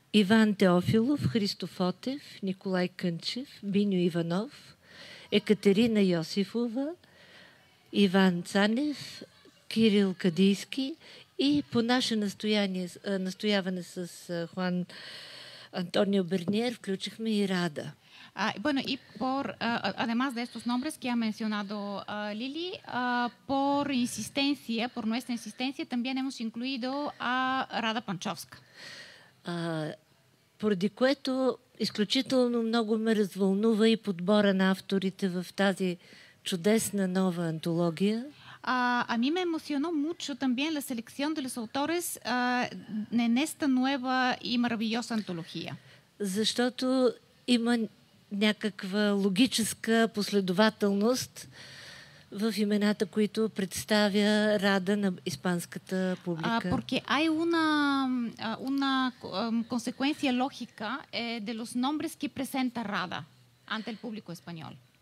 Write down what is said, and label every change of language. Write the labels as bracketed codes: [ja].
[bg] Иван Теофилов, Христо Фотев, Николай Кънчев, Биньо Иванов, Екатерина Йосифова, Иван Цанев, Кирил Кадийски и по наше настояване с Хуан Антонио Берниер включихме и Рада. [es] Bueno, y por además de estos nombres que ha mencionado Lili, por insistencia, por nuestra insistencia también hemos incluido a Рада Панчовска. [bg] Поради което изключително много ме развълнува и подбора на авторите в тази чудесна нова антология. [es] A mí me emocionó mucho también la selección de los autores en esta nueva y maravillosa antología. [bg] Защото има някаква логическа последователност в имената, които представя Рада на испанската публика. [es] Porque hay una consecuencia lógica de los nombres que presenta Рада ante el público español.